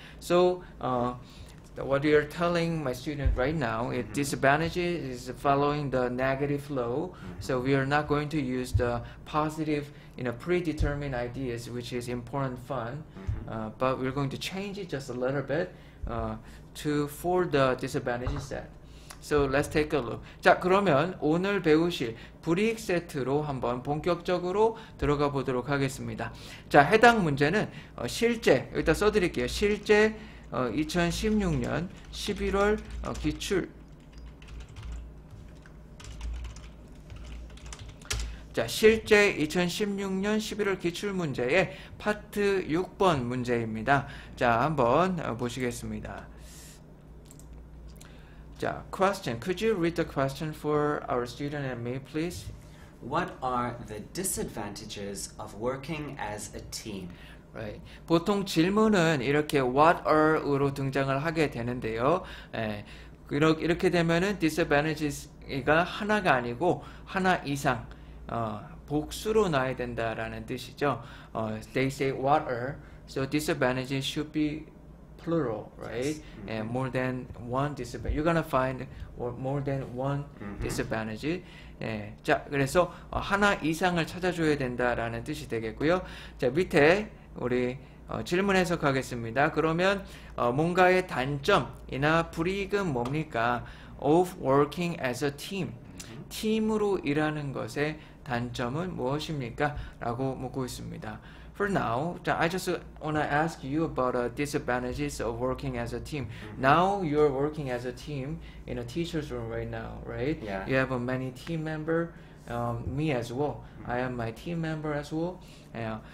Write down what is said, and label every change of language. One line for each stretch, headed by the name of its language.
English: So, what you're telling my student right now, it disadvantages is following the negative flow. So we are not going to use the positive, you know, predetermined ideas, which is important fun. But we're going to change it just a little bit. For the disadvantage set. So let's take a look.
Korean: 자, 그러면 오늘 배우실 브릭 세트로 한번 본격적으로 들어가 보도록 하겠습니다. 자, 해당 문제는 실제, 여기다 써드릴게요. 실제 2016년 11월 기출. 자, 실제 2016년 11월 기출 문제의 파트 6번 문제입니다. 자, 한번 보시겠습니다.
English: 자, question. Could you read the question for our student and me, please? What are the disadvantages of working as a team?
Korean: Right. 보통 질문은 이렇게 what are으로 등장을 하게 되는데요. 네. 이렇게 되면은 disadvantages가 하나가 아니고 하나 이상. 복수로 나야 된다라는 뜻이죠.
English: They say what are, so disadvantages should be plural, right? Yes. Mm-hmm. And more than one disadvantage. You're gonna find more than one disadvantage. Mm-hmm.
Korean: 예, 자, 그래서 하나 이상을 찾아줘야 된다라는 뜻이 되겠고요. 자, 밑에 우리 질문 해석하겠습니다. 그러면 뭔가의 단점이나 불이익은 뭡니까?
English: Of working as a team.
Korean: 팀으로 일하는 것의 단점은 무엇입니까? 라고 묻고 있습니다.
English: For now, I just want to ask you about the disadvantages of working as a team. Now you're working as a team in a teacher's room right now, right? Yeah. You have many team members, me as well. I am my team member as well. Yeah.